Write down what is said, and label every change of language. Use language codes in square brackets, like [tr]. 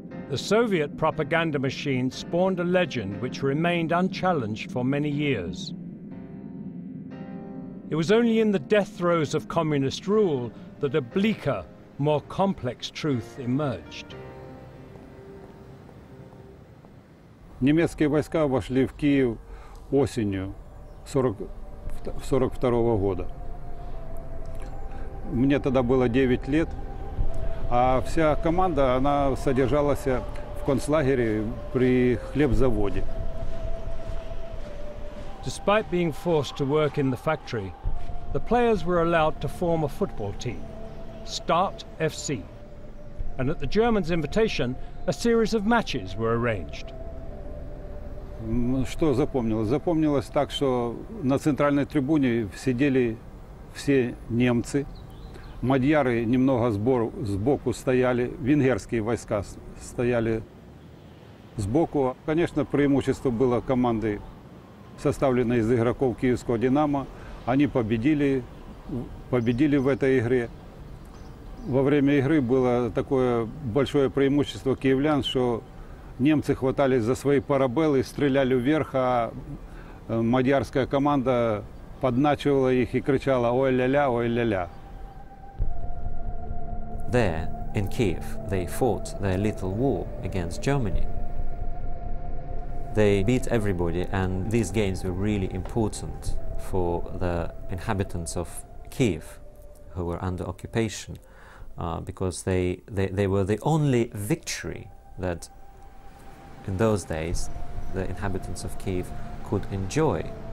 [en] The Soviet propaganda machine spawned a legend which remained unchallenged for many years. It was only in the death throes of communist rule that a bleaker, more complex truth emerged. [uk] Німецькі війська увійшли в Київ осінню 42-го года. Мені тоді було 9 років. А вся команда, вона содержалася в концлагері при хлібзаводі. [en] Despite being forced to work in the factory, the players were allowed to form a football team, Start FC. And at the Germans' invitation, a series of matches were arranged. [uk] Що запомнилось? Запомнилось так, що на центральній трибуні сиділи всі німці. Мадьяри немного збоку стояли, венгерські війська стояли збоку. Звісно, преимущество було команди, составленої з ігроків Київського «Динамо». Вони победили в цій грі. Во время ігри було таке велике преимущество київлян, що німці хватались за свої парабели, стріляли вверх, а мадьярська команда подначувала їх і кричала «Ой-ля-ля, ой-ля-ля». [en] There, in Kiev, they fought their little war against Germany. They beat everybody, and these games were really important for the inhabitants of Kiev, who were under occupation, because they were the only victory that, in those days, the inhabitants of Kiev could enjoy.